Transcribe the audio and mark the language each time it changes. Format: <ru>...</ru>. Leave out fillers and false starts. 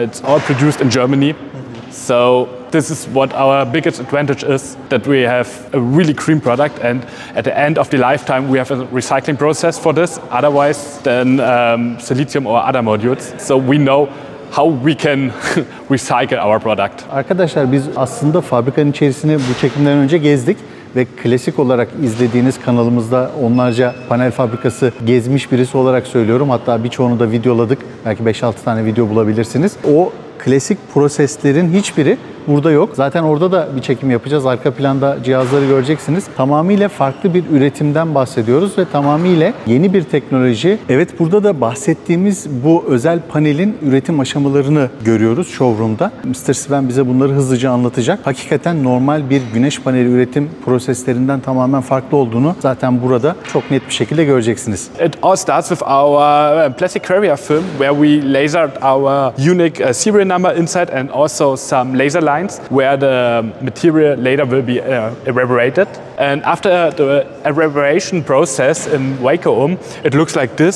<en>It's all produced in Germany. So this is what our biggest advantage is, that we have a really green product, and at the end of the lifetime we have a recycling process for this, otherwise than silicon or other modules. So we know how we can recycle our product.</en> <tr>Arkadaşlar, biz aslında fabrikanın içerisine bu çekimden önce gezdik ve klasik olarak izlediğiniz kanalımızda onlarca panel fabrikası gezmiş birisi olarak söylüyorum. Hatta birçoğunu da videoladık. Belki 5-6 tane video bulabilirsiniz. O klasik proseslerin hiçbiri burada yok. Zaten orada da bir çekim yapacağız. Arka planda cihazları göreceksiniz. Tamamıyla farklı bir üretimden bahsediyoruz ve tamamıyla yeni bir teknoloji. Evet, burada da bahsettiğimiz bu özel panelin üretim aşamalarını görüyoruz showroom'da. Mr. Sven bize bunları hızlıca anlatacak. Hakikaten normal bir güneş paneli üretim proseslerinden tamamen farklı olduğunu zaten burada çok net bir şekilde göreceksiniz.</tr> <en>It all starts with our plastic carrier film where we lasered our unique serial number inside and also some laser lines where the material later will be evaporated. And after the evaporation process in vacuum, it looks like this.</en>